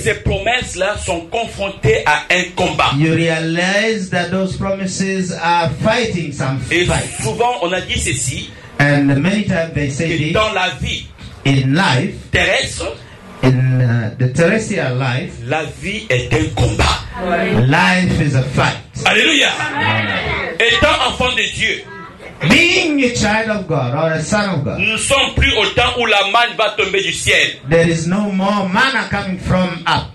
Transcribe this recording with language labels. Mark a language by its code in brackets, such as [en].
[fr] Ces promesses-là sont confrontées à un combat. [en] You realize that those promises are fighting some [fr] et [en] fight. [fr] Souvent, on a dit ceci. [en] And many times they say this, [fr] dans la vie, [en] in life, [fr] terrestre, [en] the terrestrial life, [fr] la vie est un combat. [en] Life is a fight. [fr] Alléluia. Étant enfant de Dieu, [en] being a child of God or a son of God, [fr] nous sommes plus au temps où la manne va tomber du ciel. [en] There is no more manna coming from up.